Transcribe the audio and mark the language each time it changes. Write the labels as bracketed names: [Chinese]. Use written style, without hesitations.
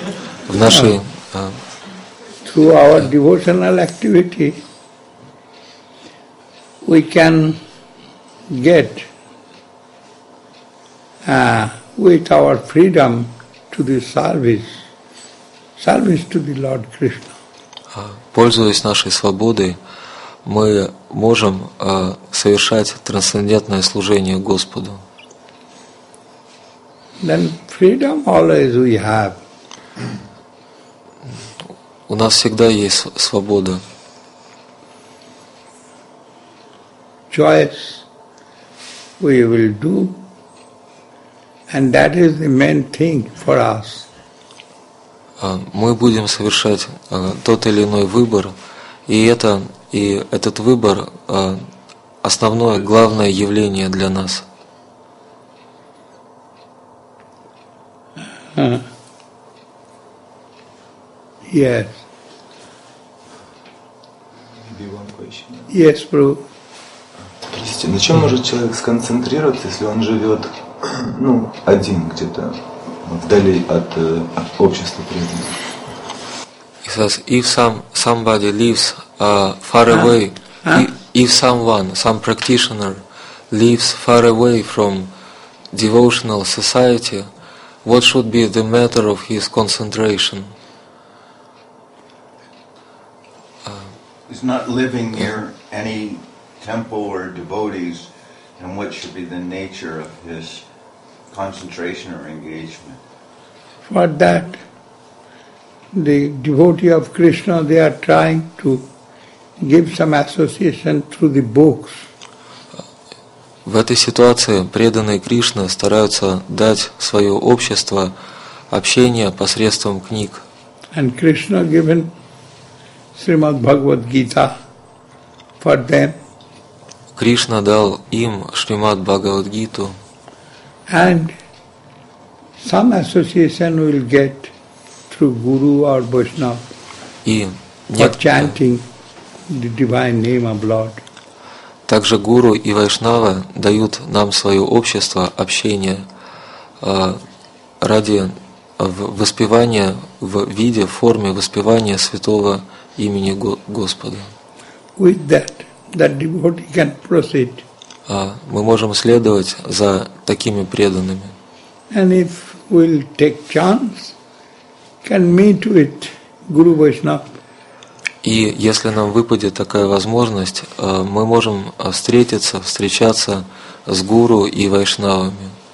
[English] Through our devotional activity, we can get with our freedom to the service to the Lord Krishna. [Russian] Пользуясь нашей свободой, мы можем совершать трансцендентное служение Господу. [English] Then freedom always we have. [Russian] У нас всегда есть свобода. [English] Choice we will do, and that is the main thing for us. [Russian] Мы будем совершать тот или иной выбор, И этот выбор – основное, главное явление для нас. [English] Yes. Maybe one question. Yes, bro. [Russian] Простите, на чем может человек сконцентрироваться, если он живет, ну, один где-то, вдали от общества преданных? [English] He says, if somebody lives far away, if some practitioner lives far away from devotional society, what should be the matter of his concentration? He's not living near any temple or devotees, and what should be the nature of his concentration or engagement? For that, the devotee of Krishna, they are trying to give some association through the books. [Russian] В этой ситуации преданные Кришны стараются дать свое общество общение посредством книг. [English] And Krishna given Srimad Bhagavad Gita for them. [Russian] Кришна дал им Шримад Бхагавад Гиту. [English] And some association will get through Guru or Vaishnava for chanting the divine name of Lord. [Russian] Также Гуру и Вайшнава дают нам свое общество, общение ради воспевания в виде, в форме воспевания святого имени Господа. [English] With that devotee can proceed. [Russian] Мы можем следовать за такими преданными. [English] And if we'll take chance, can meet with Guru Vaishnava. [Russian] И если нам выпадет такая возможность, мы можем встречаться с Гуру и Вайшнавами.